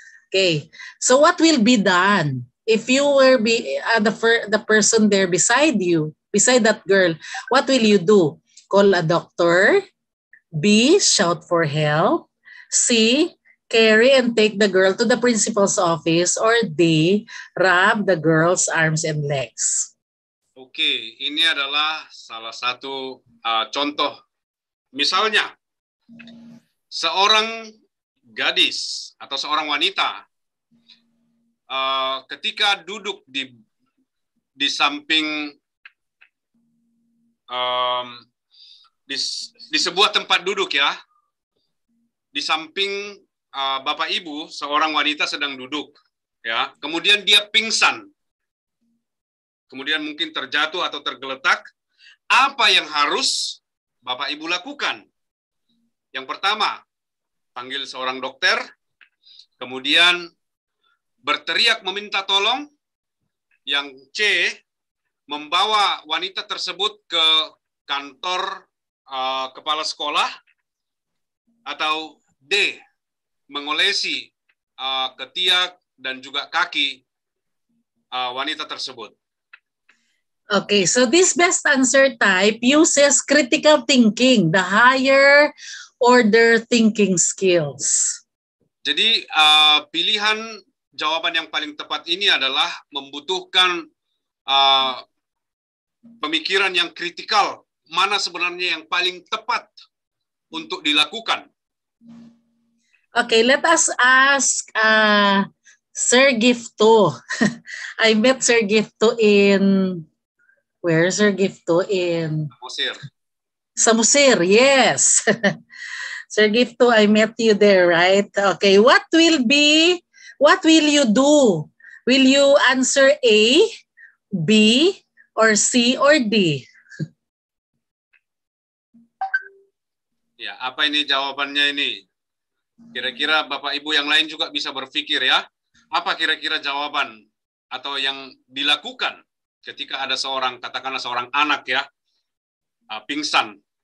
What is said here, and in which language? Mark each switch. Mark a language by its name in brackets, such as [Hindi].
[English] Okay, so what will be done if you were the person there beside you, beside that girl? What will you do? Call a doctor. B, shout for help. C, carry and take the girl to the principal's office. Or D, rub the girl's arms and legs. [Indonesian] Okay, ini adalah salah satu contoh. Misalnya, seorang gadis atau seorang wanita ketika duduk di samping di sebuah tempat duduk, ya, di samping Bapak Ibu, seorang wanita sedang duduk, ya, kemudian dia pingsan, kemudian mungkin terjatuh atau tergeletak, apa yang harus Bapak Ibu lakukan? Yang pertama, panggil seorang dokter, kemudian berteriak meminta tolong. Yang C, membawa wanita tersebut ke kantor kepala sekolah. Atau D, mengolesi ketiak dan juga kaki wanita tersebut. [English] Okay, so this best answer type uses critical thinking, the higher order thinking skills. [Indonesian] Jadi pilihan jawaban yang paling tepat ini adalah membutuhkan pemikiran yang kritikal, mana sebenarnya yang paling tepat untuk dilakukan. [English] Okay, let us ask Sir Gifto. I met Sir Gifto in... Where is Sir Gifto in? Samosir. Samosir, yes. Sir Gifto, I met you there, right? Okay, what will you do? Will you answer A, B, or C, or D? [Indonesian] Ya, apa ini jawabannya ini? Kira-kira Bapak Ibu yang lain juga bisa berpikir, ya. Apa kira-kira jawaban atau yang dilakukan ketika ada seorang, katakanlah seorang anak, ya, pingsan.